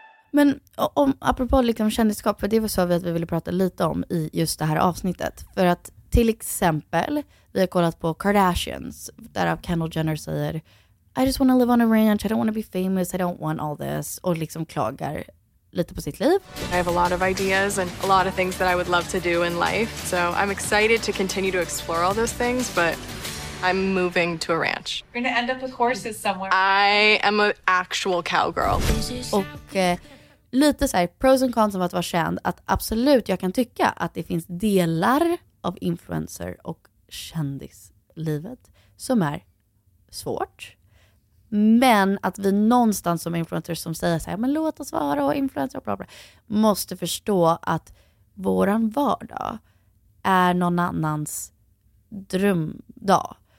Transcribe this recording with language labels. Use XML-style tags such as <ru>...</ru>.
<sv>Men om, apropå liksom kändiskap, för det var så att vi ville prata lite om i just det här avsnittet, för att till exempel vi har kollat på Kardashians, där Kendall Jenner säger</sv> <en>I just want to live on a ranch, I don't want to be famous, I don't want all this.</en> <sv>Och liksom klagar lite på sitt liv.</sv> <en>I have a lot of ideas and a lot of things that I would love to do in life. So I'm excited to continue to explore all those things, but I'm moving to a ranch. You're going to end up with horses somewhere. I am an actual cowgirl.</en> <sv>Och lite så här</sv> <en>pros and cons</en> <sv>av att vara känd. Att absolut, jag kan tycka att det finns delar av influencer- och kändislivet som är svårt. Men att vi någonstans som influencers som säger så här, men låt oss vara och influencer och bla bla, måste förstå att våran vardag är någon annans drömdag.</sv>